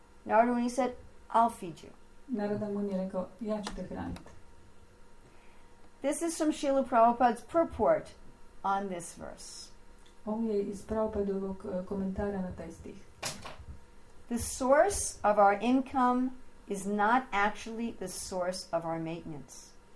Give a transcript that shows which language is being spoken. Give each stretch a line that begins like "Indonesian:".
English: Narada, when he said, I'll feed you.
Croatian: Narada mu je rekao, ja ću te hraniti.
English: This is from Srila Prabhupada's purport on this verse.
Croatian: Ovo je iz Prabhupadovog komentara na taj stih.
English: The source of our income is not actually the source of our maintenance.